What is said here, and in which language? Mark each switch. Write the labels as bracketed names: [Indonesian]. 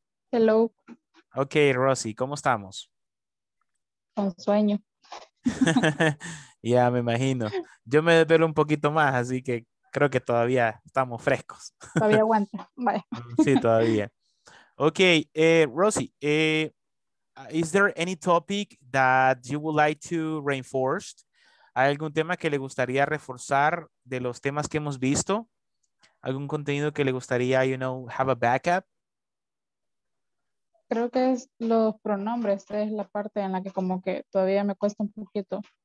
[English] Hello. [Spanish] Okay, Rosy, ¿cómo estamos? Con sueño. Ya, me imagino. Yo me desvelo un poquito más, así que creo que todavía estamos frescos. Todavía aguanta. Vale. Sí, todavía. [English] Okay, Rosy, is there any topic that you would like to reinforce? [Spanish] ¿Hay algún tema que le gustaría reforzar de los temas que hemos visto? ¿Algún contenido que le gustaría, [English] you know, have a backup? [Spanish] Creo que es los pronombres. Esta es la parte en la que como que todavía me cuesta un poquito.